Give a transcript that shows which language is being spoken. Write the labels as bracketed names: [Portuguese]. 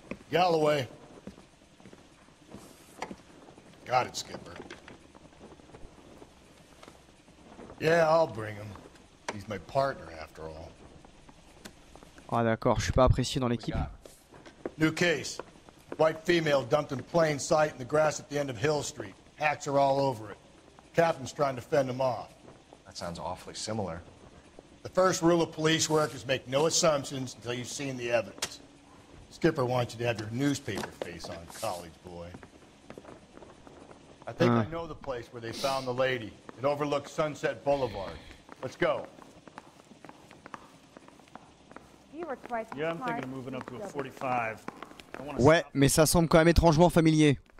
[English] Galloway. Got it, Skipper. Yeah, I'll bring him. He's my partner, after all. [French] Ah, d'accord, je suis pas apprécié dans l'équipe. [English] New case. White female dumped in plain sight in the grass at the end of Hill Street. Hacks are all over it. Captain's trying to fend them off. That sounds awfully similar. The first rule of police work is make no assumptions until you've seen the evidence. Skipper wants you to have your newspaper face on, college boy. I think I know the place where they found the lady. It overlooks Sunset Boulevard. Let's go. Yeah, I'm thinking of moving up to a 45. [French] Ouais, mais ça semble quand même étrangement familier.